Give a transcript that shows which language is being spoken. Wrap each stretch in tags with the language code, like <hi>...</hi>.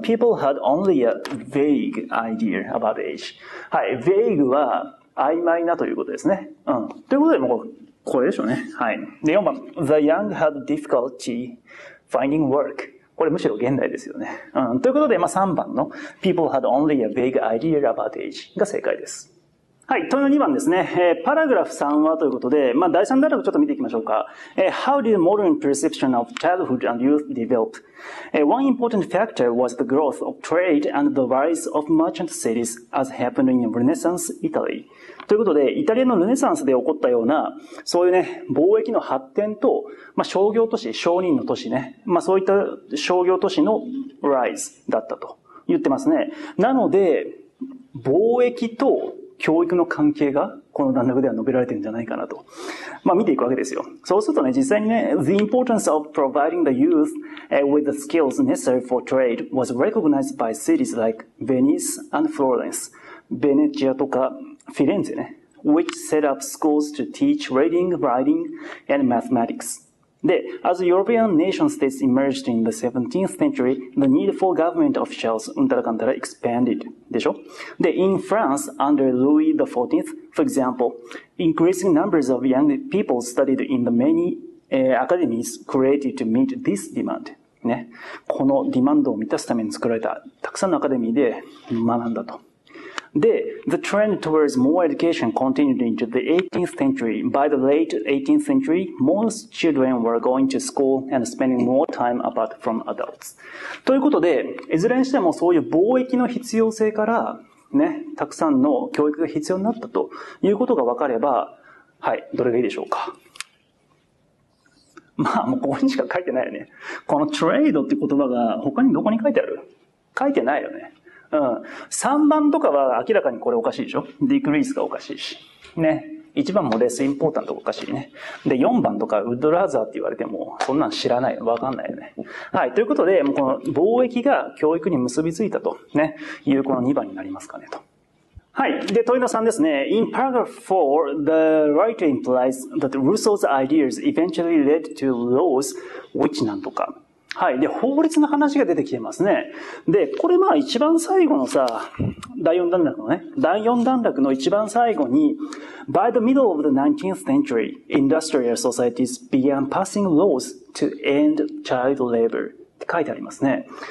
<en>People had only a vague idea about age.</en> <ja>はい、vague は曖昧なということですね。うん。ということで、もうこれでしょうね。はい。で、4番。</ja> <en>The young had difficulty finding work.</en> <ja>これむしろ現代ですよね。うん。ということで、まあ、3番の</ja> <en>People had only a vague idea about age</en> <ja>が正解です。はい。問いの2番ですね。パラグラフ3はということで、まあ、第3段落ちょっと見ていきましょうか。</ja> <en>How did modern perception of childhood and youth develop? One important factor was the growth of trade and the rise of merchant cities as happened in Renaissance Italy.</en> <ja>ということで、イタリアのルネサンスで起こったような、そういうね、貿易の発展と、まあ、商業都市、商人の都市ね。まあ、そういった商業都市の rise だったと言ってますね。なので、貿易と、教育の関係がこの段落では述べられてるんじゃないかなと。まあ見ていくわけですよ。そうするとね、実際にね、</ja> <en>The importance of providing the youth with the skills necessary for trade was recognized by cities like Venice and Florence.</en> <ja>ベネチアとかフィレンツェね。</ja> <en>Which set up schools to teach reading, writing and mathematics. で、as European nation states emerged in the 17th century, the need for government officials,</en> <ja>うんたらかんたら</ja> <en>expanded.</en> <ja>でしょ?</ja> <en>で、in France, under Louis XIV, for example, increasing numbers of young people studied in the many academies created to meet this demand.</en> <ja>ね。このディマンドを満たすために作られたたくさんのアカデミーで学んだと。</ja> <en>で、the trend towards more education continued into the 18th century. By the late 18th century, most children were going to school and spending more time apart from adults.</en> <ja>ということで、いずれにしてもそういう貿易の必要性からね、たくさんの教育が必要になったということが分かれば、はい、どれがいいでしょうか。まあ、もうここにしか書いてないよね。この trade って言葉が他にどこに書いてある?書いてないよね。うん、3番とかは明らかにこれおかしいでしょ ?decrease がおかしいし。ね。 1番も less important がおかしいね。で、4番とか would rather って言われても、そんなん知らない。わかんないよね。はい。ということで、もうこの貿易が教育に結びついたと、ね。いうこの2番になりますかねと。はい。で、問いの3ですね。</ja> <en>In paragraph 4, the writer implies that Rousseau's ideas eventually led to laws which</en> <ja>なんとか。はい。で、法律の話が出てきてますね。で、これまあ一番最後のさ、第4段落のね、第4段落の一番最後に、</ja> <en>By the middle of the 19th century, industrial societies began passing laws to end child labor</en> <ja>って書いてありますね。</ja>